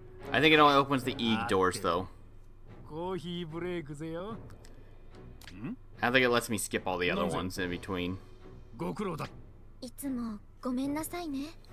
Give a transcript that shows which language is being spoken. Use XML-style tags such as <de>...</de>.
<en>I think it only opens the E doors though.</en> <ja>コーヒーブレイクぜよ。</ja> <en>I don't think it lets me skip all the other ones in between.</en> <ja>ご苦労だ。いつもごめんなさいね。</ja>